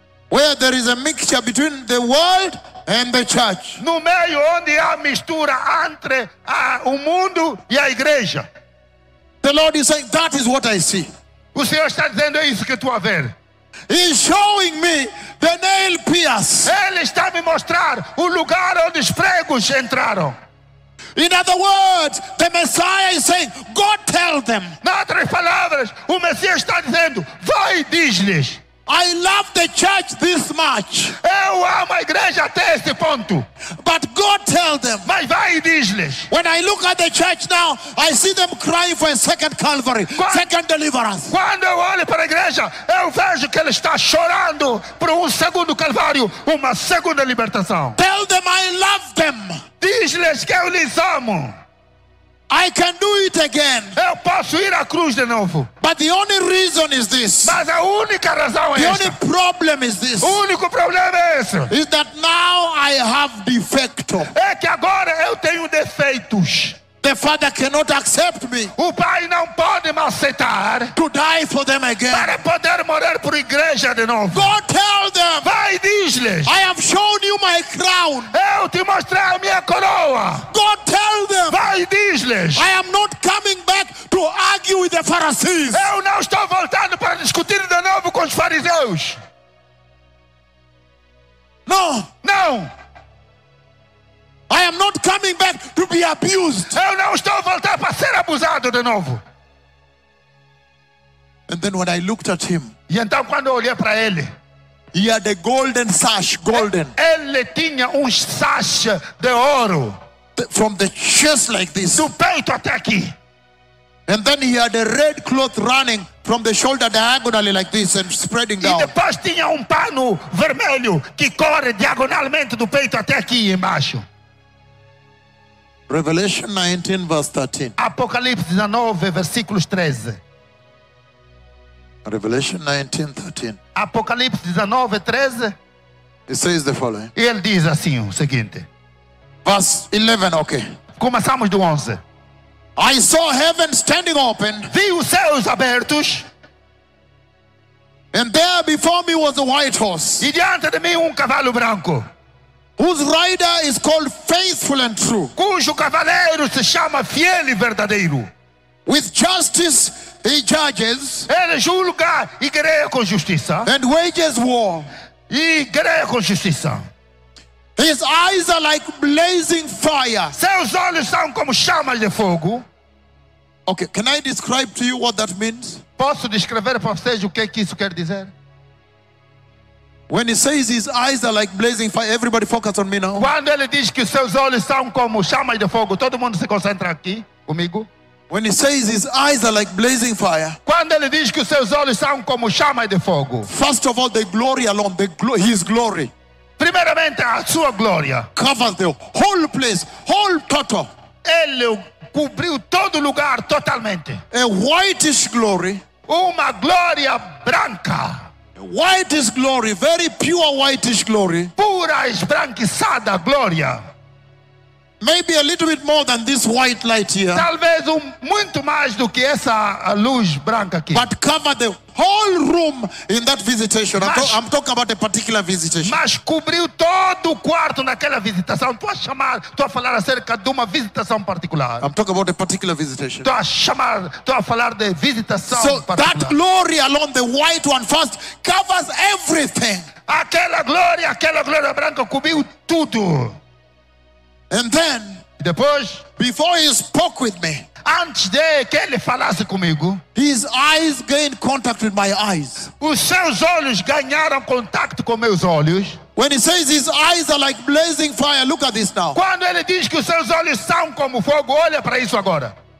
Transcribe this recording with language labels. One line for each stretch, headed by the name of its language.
English: where there is a mixture between the world and the church,
Portuguese: no meio onde há mistura entre o mundo e a igreja.
English: The Lord is saying, that is what I see.
Portuguese: O Senhor está dizendo, é isso que tu a ver.
English: He's showing me the nail pierce.
Portuguese: Ele está me mostrar o lugar onde os pregos entraram.
English: In other words, the Messiah is saying, go tell them.
Portuguese: Em outras palavras, o Messias está dizendo, vai e diz-lhes.
English: I love the church this much.
Portuguese: Eu amo a igreja até este ponto.
English: But God tell them.
Portuguese: Mas vai e diz-lhes.
English: When I look at the church now, I see them crying for a second Calvary, second deliverance.
Portuguese: Quando eu olho para a igreja, eu vejo que ela está chorando por segundo Calvário, uma segunda libertação.
English: Tell them I love them.
Portuguese: Diz-lhes que eu lhes amo.
English: I can do it again.
Portuguese: Eu posso ir à cruz de novo.
English: But the only reason is this.
Portuguese: Mas a única razão é esta.
English: The only problem is this.
Portuguese: O único problema é esse.
English: Is that now I have defecto.
Portuguese: É que agora eu tenho defeitos.
English: The Father cannot accept me.
Portuguese: O Pai não pode me aceitar.
English: To die for them again.
Portuguese: Para poder morrer por igreja de novo.
English: Go tell them.
Portuguese: Vai e diz-lhes.
English: I have shown you my crown.
Portuguese: Eu te mostrei a minha coroa.
English: Go tell them.
Portuguese: Vai e diz-lhes.
English: I am not coming back to argue with the Pharisees.
Portuguese: Eu não estou voltando para discutir de novo com os fariseus.
English: No.
Portuguese: Não.
English: I am not coming back to be abused.
Portuguese: Eu não estou voltando para ser abusado de novo.
English: And then when I looked at him,
Portuguese: e então quando eu olhei para ele,
English: he had a golden sash, golden.
Portuguese: Ele tinha sash de ouro,
English: from the chest like this.
Portuguese: Do peito até aqui.
English: And then he had a red cloth running from the shoulder diagonally like this and spreading down.
Portuguese: E depois tinha pano vermelho que corre diagonalmente do peito até aqui embaixo.
English: Revelation 19, verse 13.
Portuguese: Apocalipse 19, versículos 13.
English: Revelation 19, 13.
Portuguese: Apocalipse 19, 13.
English: It says the following.
Portuguese: E ele diz assim o seguinte.
English: Verse 11, okay.
Portuguese: Começamos do 11.
English: I saw heaven standing open.
Portuguese: Vi os céus abertos.
English: And there before me was a white horse.
Portuguese: E diante de mim cavalo branco.
English: Whose rider is called faithful and true.
Portuguese: Cujo cavaleiro se chama fiel e verdadeiro.
English: With justice he judges.
Portuguese: Ele julga e guerreia com justiça.
English: And wages war.
Portuguese: E guerreia com justiça.
English: His eyes are like blazing fire.
Portuguese: Seus olhos são como chamas de fogo.
English: Okay, can I describe to you what that means?
Portuguese: Posso descrever para vocês o que isso quer dizer?
English: When he says his eyes are like blazing fire, everybody focus on me now.
Portuguese: Quando ele diz que seus olhos são como chamas de fogo, todo mundo se concentra aqui comigo.
English: When he says his eyes are like blazing fire.
Portuguese: Quando ele diz que seus olhos são como chamas de fogo.
English: First of all, the glory alone, his glory.
Portuguese: Primeiramente a sua glória.
English: Covers the whole place, whole total.
Portuguese: Ele cobriu todo lugar totalmente.
English: A whitish glory.
Portuguese: Uma glória branca.
English: White is glory, very pure whitish glory.
Portuguese: Pura esbranquiçada glória.
English: Maybe a little bit more than this white light here.
Portuguese: Talvez muito mais do que essa luz branca aqui.
English: But cover the whole room in that visitation. I'm talking about a particular visitation.
Portuguese: Mas cobriu todo o quarto naquela visitação. Estou a falar acerca de uma visitação particular.
English: I'm talking about a particular visitation.
Portuguese: Estou a falar de visitação so particular.
English: So that glory alone, the white one first, covers everything.
Portuguese: Aquela glória branca cobriu tudo.
English: And then,
Portuguese: depois,
English: before he spoke with me,
Portuguese: antes de que ele falasse comigo,
English: his eyes gained contact with my eyes.
Portuguese: Os seus olhos ganharam contacto com meus olhos.
English: When he says his eyes are like blazing fire, look at this now.
Portuguese: Quando ele diz que os seus olhos são como fogo, olha para isso agora.